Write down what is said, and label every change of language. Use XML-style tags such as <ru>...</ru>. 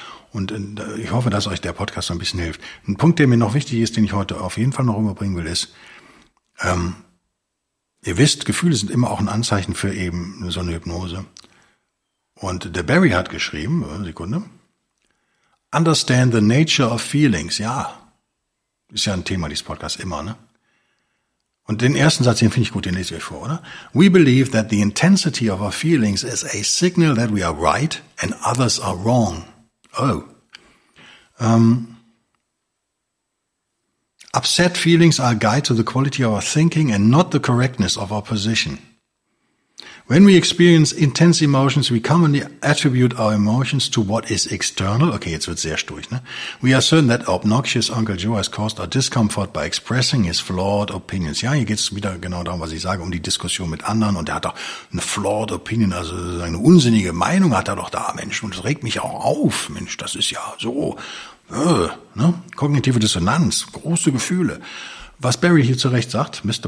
<de>Und ich hoffe, dass euch der Podcast so ein bisschen hilft. Ein Punkt, der mir noch wichtig ist, den ich heute auf jeden Fall noch rüberbringen will, ist, ihr wisst, Gefühle sind immer auch ein Anzeichen für eben so eine Hypnose. Und der Barry hat geschrieben, Sekunde,</de> <en>understand the nature of feelings,</en> <de>ja, ist ja ein Thema dieses Podcasts immer, ne? Und den ersten Satz, den finde ich gut, den lese ich euch vor, oder?</de> <en>We believe that the intensity of our feelings is a signal that we are right and others are wrong. Oh. Upset feelings are a guide to the quality of our thinking and not the correctness of our position. When we experience intense emotions, we commonly attribute our emotions to what is external.</en> <de>Okay, jetzt wird sehr stoisch, ne?</de> <en>We are certain that obnoxious Uncle Joe has caused our discomfort by expressing his flawed opinions.</en> <de>Ja, hier geht's wieder genau darum, was ich sage, um die Diskussion mit anderen. Und er hat doch eine flawed opinion, also eine unsinnige Meinung hat er doch da, Mensch. Und das regt mich auch auf, Mensch, das ist ja so, ne? Kognitive Dissonanz, große Gefühle. Was Barry hier zu Recht sagt, Mr.</de>